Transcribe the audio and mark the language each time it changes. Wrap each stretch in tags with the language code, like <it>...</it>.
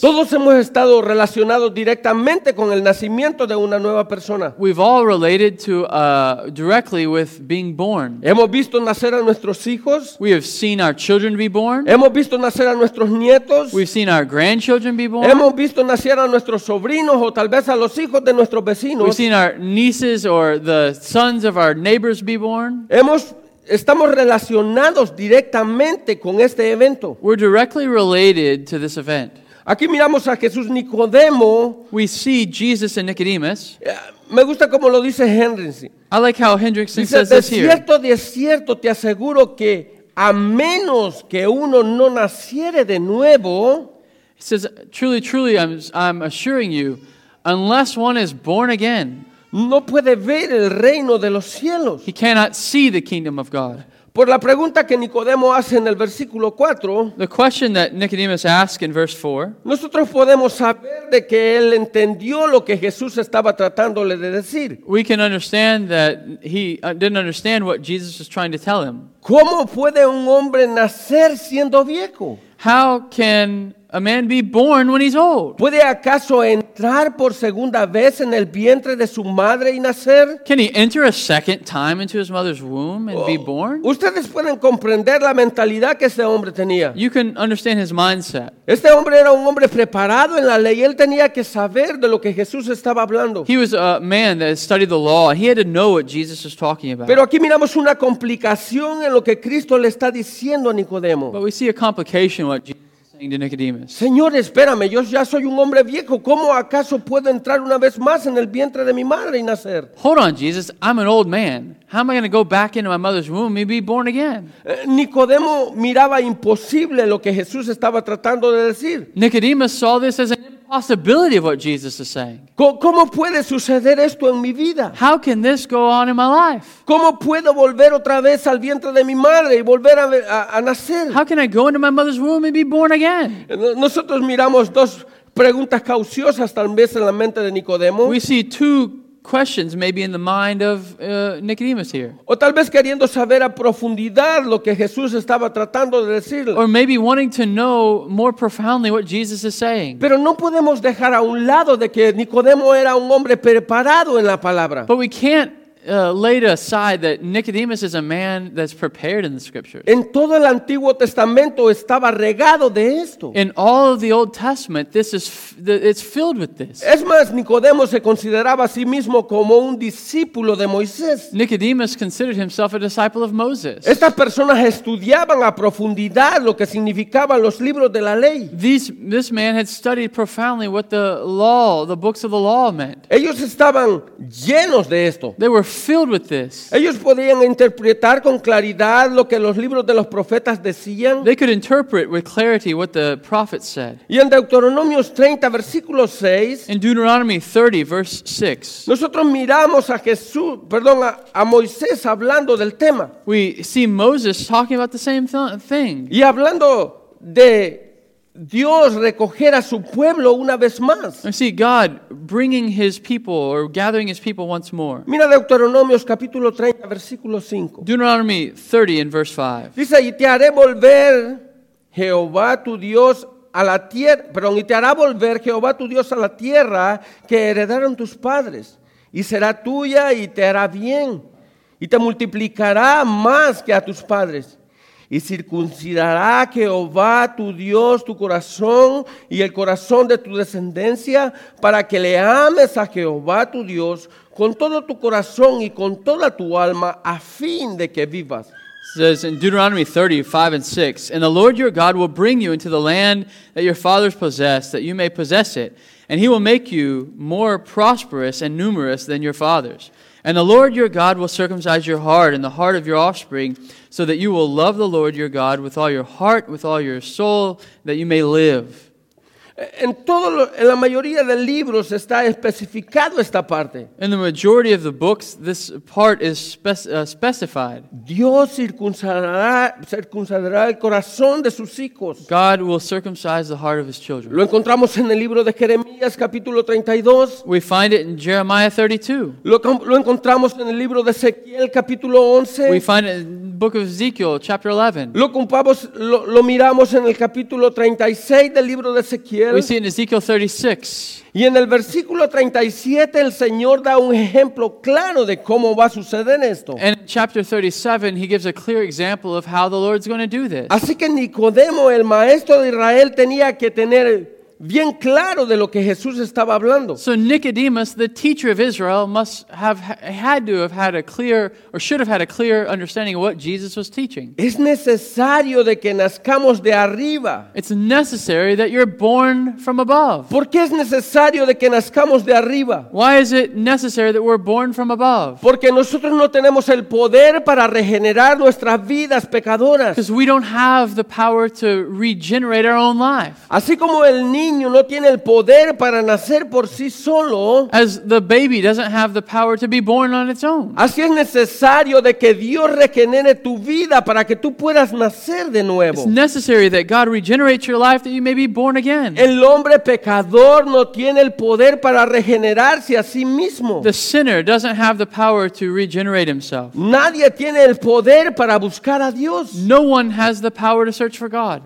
<es>Todos hemos estado relacionados directamente con el nacimiento de una nueva persona.</es> <en>We've all related to directly with being born.</en> <es>Hemos visto nacer a nuestros hijos.</es> <en>We have seen our children be born.</en> <es>Hemos visto nacer a nuestros nietos.</es> <en>We've seen our grandchildren be born.</en> <es>Hemos visto nacer a nuestros sobrinos o tal vez a los hijos de nuestros vecinos.</es> <en>We've seen our nieces or the sons of our neighbors be born.</en> <es>Estamos relacionados directamente con este evento.</es> <en>We're directly related to this event.</en> <es>Aquí miramos a Jesús Nicodemo.</es> <en>We see Jesus and Nicodemus.</en> <es>Me gusta como lo dice Hendrickson.</es> <en>I like how Hendrickson says this here.</en> <es>De cierto te aseguro que a menos que uno no naciere de nuevo.</es> <en>He says, truly, truly, I'm assuring you, unless one is born again,</en> <es>no puede ver el reino de los cielos.</es> <en>He cannot see the kingdom of God.</en> <es>Por la pregunta que Nicodemo hace en el versículo 4,</es> <en>the question that Nicodemus asks in verse 4,</en> <es>nosotros podemos saber de que él entendió lo que Jesús estaba tratándole de decir.</es> <en>We can understand that he didn't understand what Jesus was trying to tell him.</en> <es>¿Cómo puede un hombre nacer siendo viejo?</es> <en>How can a man be born when he's old?</en> <es>¿Puede acaso entrar por segunda vez en el vientre de su madre y nacer?</es> <en>Can he enter a second time into his mother's womb and be born?</en> <es>Ustedes pueden comprender la mentalidad que este hombre tenía.</es> <en>You can understand his mindset.</en> <es>Este hombre era un hombre preparado en la ley. Él tenía que saber de lo que Jesús estaba hablando.</es> <en>He was a man that studied the law. He had to know what Jesus was talking about.</en> <es>Pero aquí miramos una complicación en lo que Cristo le está diciendo a Nicodemo.</es> <en>But we see a complication what Jesus to Nicodemus.</en> <es>Señor, espérame, yo ya soy un hombre viejo. ¿Cómo acaso puedo entrar una vez más en el vientre de mi madre y nacer?</es> <en>Hold on, Jesus. I'm an old man. How am I going to go back into my mother's womb and be born again?</en> <es>Nicodemo miraba imposible lo que Jesús estaba tratando de decir.</es> <en>Nicodemus saw this as an impossibility of what Jesus is saying.</en> <es>¿Cómo puede suceder esto en mi vida?</es> <en>How can this go on in my life?</en> <es>¿Cómo puedo volver otra vez al vientre de mi madre y volver a nacer?</es> <en>How can I go into my mother's womb and be born again?</en> <es>Nosotros miramos dos preguntas cauciosas tal vez en la mente de Nicodemo.</es> <en>We see two questions maybe in the mind of Nicodemus here.</en> <es>O tal vez queriendo saber a profundidad lo que Jesús estaba tratando de decirle.</es> <en>Or maybe wanting to know more profoundly what Jesus is saying.</en> <es>Pero no podemos dejar a un lado de que Nicodemo era un hombre preparado en la palabra.</es> <en>But we can't laid aside that Nicodemus is a man that's prepared in the scriptures.</en> <es>En todo el Antiguo Testamento estaba regado de esto.</es> <en>In all of the Old Testament, it's filled with this.</en> <es>Es más, Nicodemo se consideraba a sí mismo como un discípulo de Moisés.</es> <en>Nicodemus considered himself a disciple of Moses.</en> <es>Estas personas estudiaban a profundidad lo que significaban los libros de la ley.</es> <en>This man had studied profoundly what the law, the books of the law meant.</en> <es>Ellos estaban llenos de esto.</es> <en>They were filled with this.</en> <es>Ellos podían interpretar con claridad lo que los libros de los profetas decían.</es> <en>They could interpret with clarity what the prophets said.</en> <es>Y en Deuteronomio 30, versículo 6,</es> <en>in Deuteronomy 30, verse 6,</en> <es>nosotros miramos a Jesús, perdón, a Moisés hablando del tema.</es> <en>We see Moses talking about the same thing.</en> <es>Y hablando de Dios recoger a su pueblo una vez más.</es> <en>I see God bringing his people or gathering his people once more.</en> <es>Mira Deuteronomio capítulo 30, versículo 5.</es> <en>Deuteronomy 30 and verse 5.</en> <es>Dice, y te haré volver Jehová tu Dios a la tierra, perdón, y te hará volver Jehová tu Dios a la tierra que heredaron tus padres, y será tuya y te hará bien, y te multiplicará más que a tus padres. Y circuncidará Jehová tu Dios tu corazón y el corazón de tu descendencia para que le ames a Jehová tu Dios con todo tu corazón y con toda tu alma a fin de que vivas.</es> <en>It says in Deuteronomy 30, 5 and 6, and the Lord your God will bring you into the land that your fathers possessed, that you may possess it, and he will make you more prosperous and numerous than your fathers. And the Lord your God will circumcise your heart and the heart of your offspring, so that you will love the Lord your God with all your heart, with all your soul, that you may live.</en> <es>En la mayoría de libros está especificado esta parte.</es> <en>In the majority of the books, this part is specified.</en> <es>Dios circuncidará el corazón de sus hijos.</es> <en>God will circumcise the heart of his children.</en> <es>Lo encontramos en el libro de Jeremías, capítulo 32.</es> <en>We find it in Jeremiah 32.</en> <es>Lo encontramos en el libro de Ezequiel, capítulo 11.</es> <en>We find it in the book of Ezekiel, chapter 11.</en> <es>Lo miramos en el capítulo 36 del libro de Ezequiel.</es> <en>We see in Ezekiel 36.</en> <es>Y en el versículo 37 el Señor da un ejemplo claro de cómo va a suceder esto.</es> <en>And in chapter 37 he gives a clear example of how the Lord's going to do this.</en> <es>Así que Nicodemo, el maestro de Israel, tenía que tener bien claro de lo que Jesús estaba hablando.</es> <en>So Nicodemus, the teacher of Israel, must have had to have had a clear or should have had a clear understanding of what Jesus was teaching.</en> <es>Es necesario de que nazcamos de arriba.</es> <en>It's necessary that you're born from above.</en> <es>¿Por qué es necesario de que nazcamos de arriba?</es> <en>Why is it necessary that we're born from above?</en> <es>Porque nosotros no tenemos el poder para regenerar nuestras vidas pecadoras.</es> <en>Because we don't have the power to regenerate our own life.</en> <es>Así como el niño niño no tiene el poder para nacer por sí solo,</es> <en>as the baby doesn't have the power to be born on its own.</en> <es>Así es necesario de que Dios regenere tu vida para que tú puedas nacer de nuevo.</es> <en>It's necessary that God regenerates your life that you may be born again.</en> <es>El hombre pecador no tiene el poder para regenerarse a sí mismo.</es> <en>The sinner doesn't have the power to regenerate himself.</en> <es>Nadie tiene el poder para buscar a Dios.</es> <en>No one has the power to search for God.</en>